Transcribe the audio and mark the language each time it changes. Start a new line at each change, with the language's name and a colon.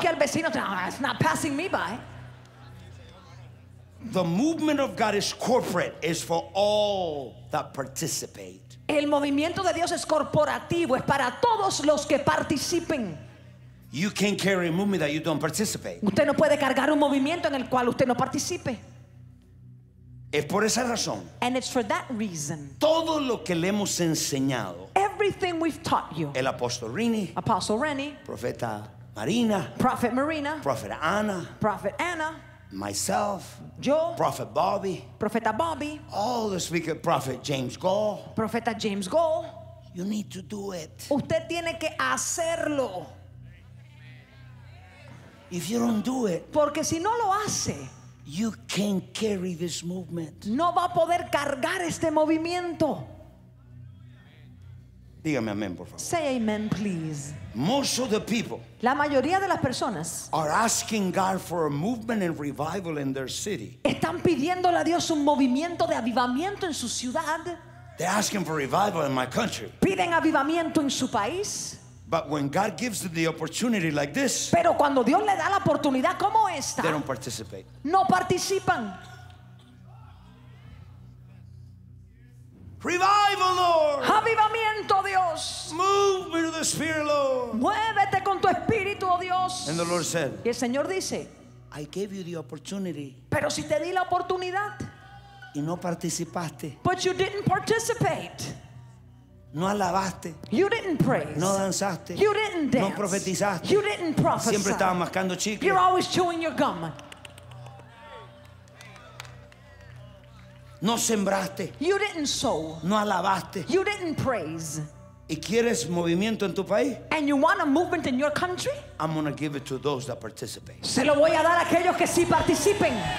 Spanish: Toque al vecino.
English: It's not passing me by. The movement of God is corporate. It's for all that participate.
Spanish: El movimiento de Dios es corporativo. Es para todos los que participen.
English: You can't carry a movement that you don't participate.
Spanish: Usted no puede cargar un movimiento en el cual usted no participe. Es por esa razón.
English: And it's for that reason.
Spanish: Todo lo que le hemos enseñado.
English: Everything we've taught you.
Spanish: El apóstol Rini.
English: Apostle Rennie.
Spanish: Profeta Marina.
English: Prophet Marina.
Spanish: Profeta Ana.
English: Prophet Anna. Myself.
Spanish: Yo.
English: Prophet Bobby.
Spanish: Profeta Bobby.
English: All the speaker. Prophet James Gall.
Spanish: Profeta James Gall.
English: You need to do it.
Spanish: Usted tiene que hacerlo.
English: If you don't do it.
Spanish: Porque si no lo hace.
English: You can't carry this movement.
Spanish: No va a poder cargar este movimiento. Dígame amén, por favor.
English: Say amen, please. Most of the people.
Spanish: La mayoría de las personas.
English: Are asking God for a movement and revival in their city.
Spanish: Están pidiéndole a Dios un movimiento de avivamiento en su ciudad.
English: They're asking for revival in my country.
Spanish: Piden avivamiento en su país.
English: But when God gives them the opportunity like this,
Spanish: pero cuando Dios le da la oportunidad como esta,
English: they don't participate.
Spanish: No participan.
English: Revival, Lord.
Spanish: Avivamiento, Dios.
English: Move me to the Spirit, Lord.
Spanish: Muévete con tu espíritu, oh Dios.
English: And the Lord said,
Spanish: y el Señor dice,
English: I gave you the opportunity.
Spanish: Pero si te di la oportunidad, y no participaste.
English: But you didn't participate.
Spanish: No alabaste.
English: You didn't praise.
Spanish: No danzaste.
English: You didn't dance.
Spanish: No profetizaste.
English: You didn't prophesy.
Spanish: Siempre estabas mascando chicle.
English: You're always chewing your gum.
Spanish: No sembraste.
English: You didn't sow.
Spanish: No alabaste.
English: You didn't praise.
Spanish: ¿Y quieres movimiento en tu país?
English: And you want a movement in your country? I'm going to give it to those that participate.
Spanish: Se lo voy a dar a aquellos que sí participen.